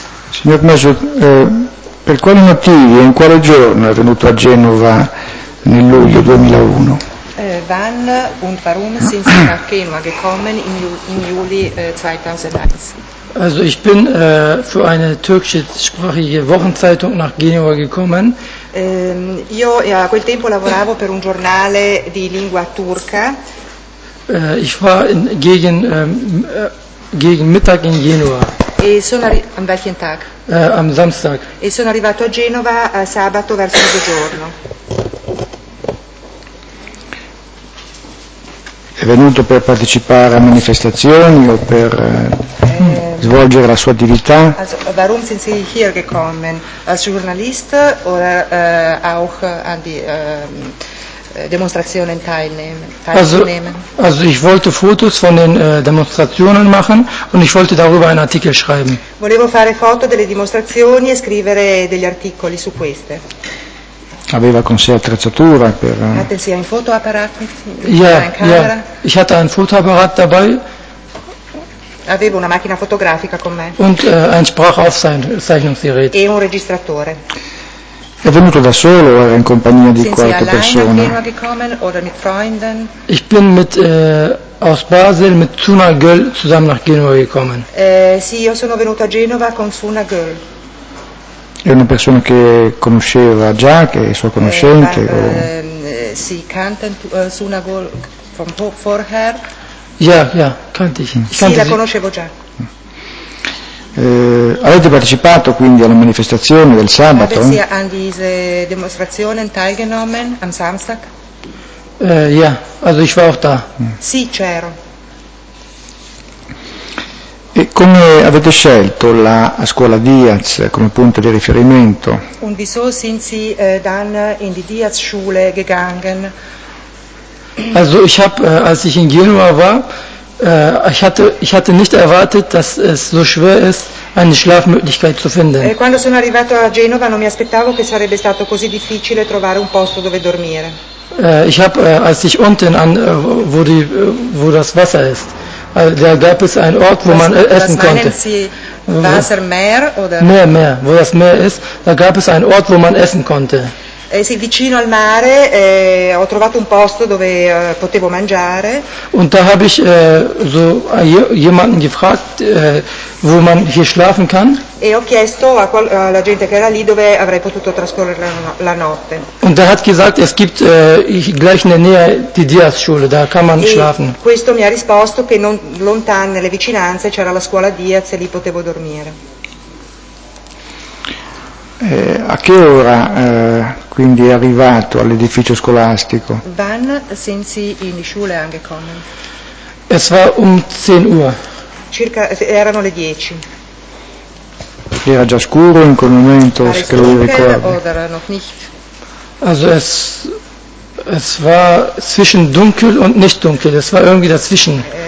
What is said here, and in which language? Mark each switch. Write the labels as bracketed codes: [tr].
[it] Signor Mesut, per quali motivi e in quale giorno è venuto a Genova nel luglio 2001? [de] Wann und warum sind Sie nach Genua gekommen im Juli 2001? Also ich bin für eine türkischsprachige Wochenzeitung nach Genua gekommen. [it] Io a quel tempo lavoravo per un giornale di lingua turca. [de] Ich war gegen Mittag in Genua. [it] E sono [de] an welchen Tag? Am Samstag. [it] E sono arrivato a Genova sabato verso mezzogiorno. È venuto per partecipare a manifestazioni o per svolgere la sua attività? [de] Also, warum sind Sie hier gekommen? Als Journalist oder auch an die Demonstrationen teilnehmen? Also ich wollte Fotos von den Demonstrationen machen und ich wollte darüber einen Artikel schreiben. [it] Volevo fare foto delle dimostrazioni e scrivere degli articoli su queste. Aveva con sé attrezzatura per... [de] Hatte sie ein Fotoapparat mit sich? Ja, ja, ich hatte ein Fotoapparat dabei. [it] Avevo una macchina fotografica con me. [de] Und ein Sprachaufzeichnungsgerät. [it] E un registratore. È venuto da solo o era in compagnia di qualche persona? [de] Sind Sie allein nach Genua gekommen oder mit Freunden? Ich bin mit, aus Basel mit Suna Göll zusammen nach Genua gekommen. [it] Sì, io sono venuto a Genova con Suna Göll. È una persona che conosceva già, che è sua conoscente? Sì, [de] kannte Suna Göll von vorher. Ja, ja, kannte ich. [it] Sì, la conoscevo già. Avete partecipato quindi alla manifestazione del sabato? Avete sì, [de] an diese Demonstrationen teilgenommen am Samstag? Ja, also ich war auch da. [it] Sì, c'ero. E come avete scelto la scuola Diaz come punto di riferimento? [de] Und wieso sind Sie dann in die Diaz-Schule gegangen? Also ich habe, als ich in Genua war, ich hatte nicht erwartet, dass es so schwer ist, eine Schlafmöglichkeit zu finden. [it] Quando sono arrivato a Genova non mi aspettavo che sarebbe stato così difficile trovare un posto dove dormire. [de] Ich habe, als ich unten an, wo das Wasser ist, da gab es einen Ort, wo man essen konnte. Was meinen Sie, Wassermeer oder? Meer, wo das Meer ist, da gab es einen Ort, wo man essen konnte. [it] Sì, vicino al mare ho trovato un posto dove potevo mangiare. [de] Und da habe ich so jemanden gefragt, wo man hier schlafen kann. [it] E ho chiesto a alla gente che era lì dove avrei potuto trascorrere la notte. [de] Und er hat gesagt, es gibt gleich in der Nähe die Diaz-Schule, da kann man schlafen. [it] Questo mi ha risposto che non lontano, nelle vicinanze c'era la scuola Diaz e lì potevo dormire. A che ora quindi è arrivato all'edificio scolastico? [de] Wann sind Sie in die Schule angekommen? Es war 10 Uhr. [it] Circa erano le 10. Era già scuro in quel momento, se che lo ricordo. [de] Oder noch nicht. Also es war zwischen dunkel und nicht dunkel, es war irgendwie dazwischen.